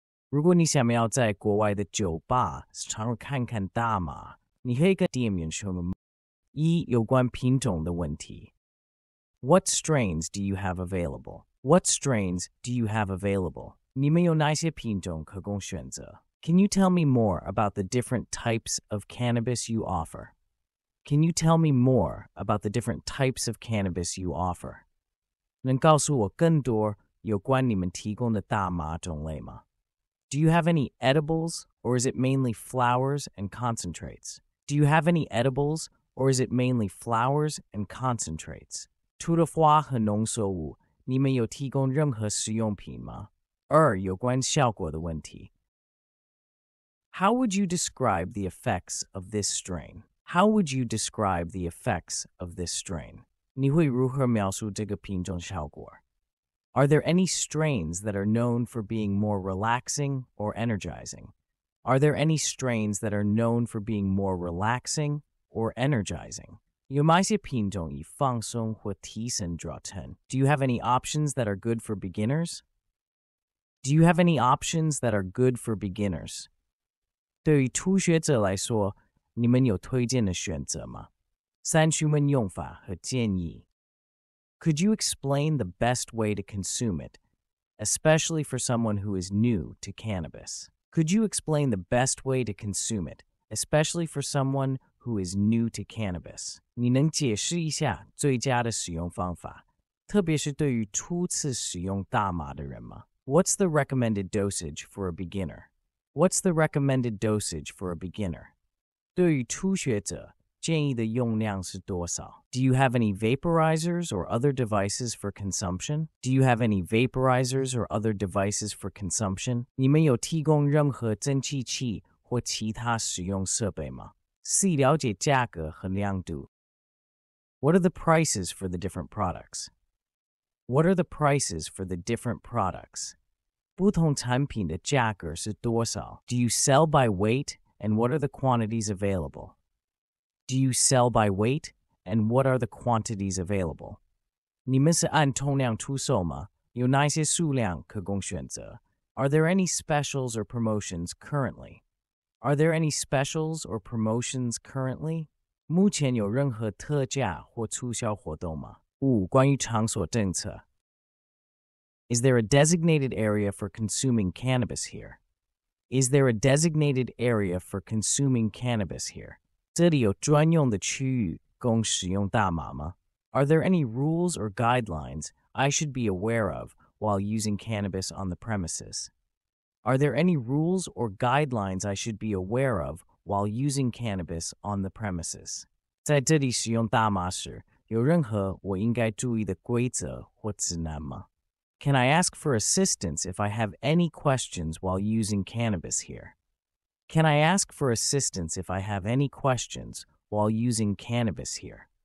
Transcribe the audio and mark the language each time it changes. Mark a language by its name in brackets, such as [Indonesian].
[Chinese] 如果你想要在国外的酒吧常看看大麻，你可以跟店员询问一有关品种的问题。 [English] What strains do you have available? What strains do you have available? [Chinese] 你们有哪些品种可供选择？ [English] Can you tell me more about the different types of cannabis you offer? Can you tell me more about the different types of cannabis you offer? [Chinese] 能告诉我更多有关你们提供的大麻种类吗？ [English] Do you have any edibles, or is it mainly flowers and concentrates? Do you have any edibles, or is it mainly flowers and concentrates? [Chinese] 除了花和浓缩物，你们有提供任何食用品吗？二，有关效果的问题。 [English] How would you describe the effects of this strain? How would you describe the effects of this strain? [Chinese] 你会如何描述这个品种效果？ [English] Are there any strains that are known for being more relaxing or energizing? Are there any strains that are known for being more relaxing or energizing? [Chinese] 有哪些品种以放松或提神著称? [English] Do you have any options that are good for beginners? Do you have any options that are good for beginners? [Chinese] 对于初学者来说,你们有推荐的选择吗? 三询问用法和建议。 [English] Could you explain the best way to consume it, especially for someone who is new to cannabis? Could you explain the best way to consume it, especially for someone who is new to cannabis? [Chinese] 你能解释一下最佳的使用方法，特别是对于初次使用大麻的人吗？ [English] What's the recommended dosage for a beginner? What's the recommended dosage for a beginner? [Chinese] 对于初学者建议的用量是多少? [English] Do you have any vaporizers or other devices for consumption? Do you have any vaporizers or other devices for consumption? [Chinese] 你们有提供任何蒸汽器或其他使用设备吗? 四、了解价格和量度。 [English] What are the prices for the different products? What are the prices for the different products? [Chinese] 不同产品的价格是多少? [English] Do you sell by weight and what are the quantities available? Do you sell by weight, and what are the quantities available? [Chinese] 你们是按通量出售吗？有哪些数量可供选择？ [English] Are there any specials or promotions currently? Are there any specials or promotions currently? [Chinese] 目前有任何特价或促销活动吗？五、关于场所政策。 [English] Is there a designated area for consuming cannabis here? Is there a designated area for consuming cannabis here? [Chinese] 这里有专用的区域供使用大麻吗? [English] Are there any rules or guidelines I should be aware of while using cannabis on the premises? Are there any rules or guidelines I should be aware of while using cannabis on the premises? [Chinese] 在这里使用大麻时,有任何我应该注意的规则或指南吗? [English] Can I ask for assistance if I have any questions while using cannabis here? Can I ask for assistance if I have any questions while using cannabis here?